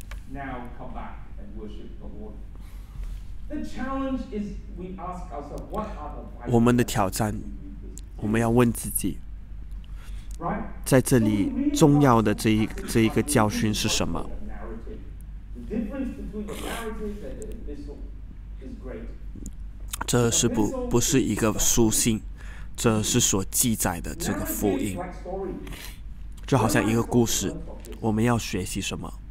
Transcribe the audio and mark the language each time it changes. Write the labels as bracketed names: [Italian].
[English] Now come back and worship the Lord. The challenge is we ask ourselves what are the vital things. [Chinese] 我们的挑战，我们要问自己，在这里重要的这一个教训是什么？ [English] The difference between the narrative and the epistle is great. [Chinese] 这是不是一个书信，这是所记载的这个福音，就好像一个故事，我们要学习什么？